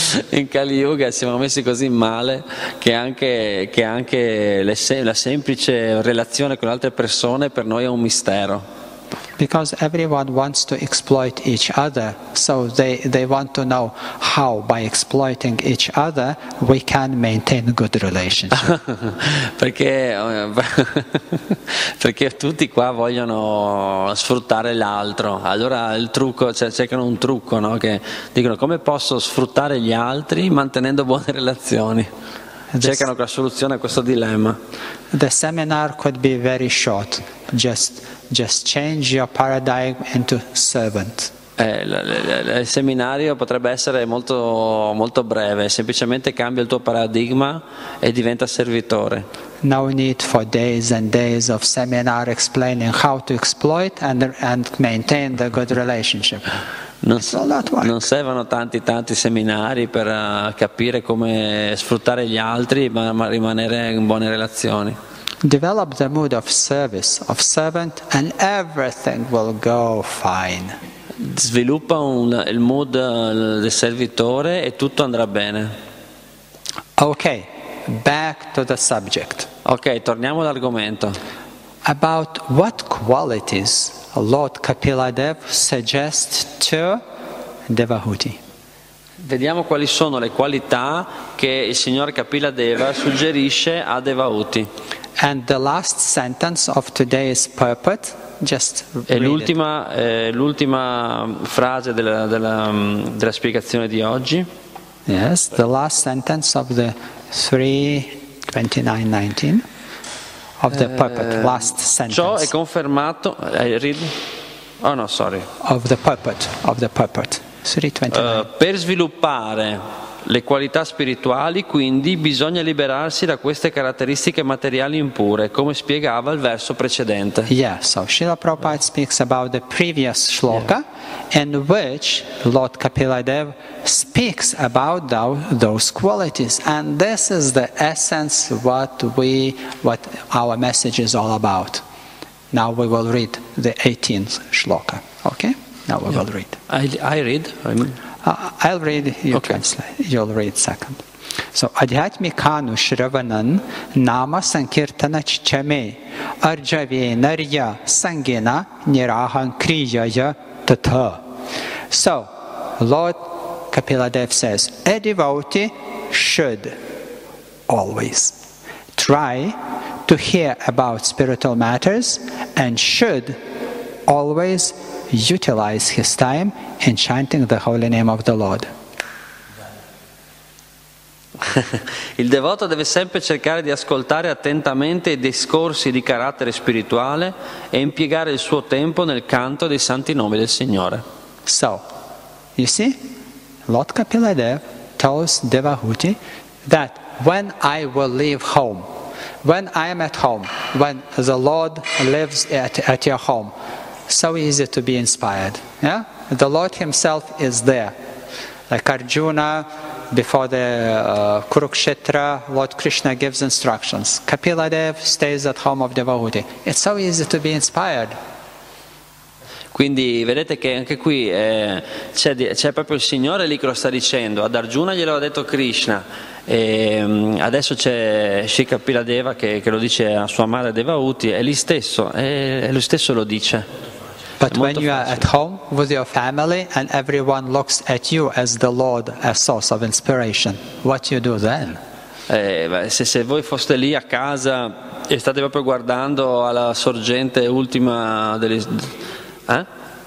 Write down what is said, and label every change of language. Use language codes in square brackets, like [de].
[it] In Kali Yuga siamo messi così male che anche la semplice relazione con altre persone per noi è un mistero. [en] Because everyone wants to exploit each other, so they want to know how by exploiting each other we can maintain good relationship. [it] perché tutti qua vogliono sfruttare l'altro. Allora il trucco, cioè cercano un trucco, no? Che dicono come posso sfruttare gli altri mantenendo buone relazioni. Cercano la soluzione a questo dilemma. [en] The seminar could be very short. Just change your paradigm into servant. [it] Il seminario potrebbe essere molto molto breve. Semplicemente cambia il tuo paradigma e diventa servitore. [en] No need for days and days of seminar explaining how to exploit and maintain the good relationship. [it] Non servono tanti seminari per capire come sfruttare gli altri ma rimanere in buone relazioni. [en] Develop the mood of service, of servant, and everything will go fine. [it] Sviluppa il mood del servitore e tutto andrà bene. [en] Okay, back to the subject. [it] Okay, torniamo all'argomento. [en] About what qualities Lord Kapiladev suggests to Devahuti. [it] Vediamo quali sono le qualità che il signor Kapiladeva suggerisce a Devahuti. [en] And the last sentence of today's purport, just read. [it] L'ultima frase della spiegazione di oggi. [en] Yes, the last sentence of the 3:29:19. Of the purport, last sentence. [it] Ciò è confermato. [en] Read. Oh no, sorry. Of the purport. 3:29. [it] Per sviluppare le qualità spirituali, quindi, bisogna liberarsi da queste caratteristiche materiali impure, come spiegava il verso precedente. [en] Yes. So Srila Prabhupada speaks about the previous shloka, in which Lord Kapiladev speaks about those qualities, and this is the essence what our message is all about. Now we will read the 18th shloka. Okay. Now we will read. You'll read second. [sa] So, adhyatmikanu shravanan nama sankirtana chame arjave narya sangena nirahan kriyaya tata. [en] So, Lord Kapiladev says, a devotee should always try to hear about spiritual matters and should always utilize his time in chanting the holy name of the Lord. [it] Il devoto deve sempre cercare di ascoltare attentamente i discorsi di carattere spirituale e impiegare il suo tempo nel canto dei santi nomi del Signore. [en] So, you see, Lord Kapiladev tells Devahuti that when I will leave home, when I am at home, when the Lord lives at your home, so easy to be inspired. Yeah? The Lord himself is there. Like Arjuna, before the Kurukshetra, Lord Krishna gives instructions. Kapiladev stays at home of Devahuti. It's so easy to be inspired. [it] Quindi vedete che anche qui c'è proprio il Signore lì che lo sta dicendo. Ad Arjuna glielo ha detto Krishna. E adesso c'è Shri Kapiladeva che lo dice a sua madre Devahuti. È lì stesso, è lui stesso lo dice. [en] But when you are at home with your family and everyone looks at you as the Lord, as source of inspiration, what you do then? [it] se voi foste lì a casa e state proprio guardando alla sorgente ultima delle... Eh?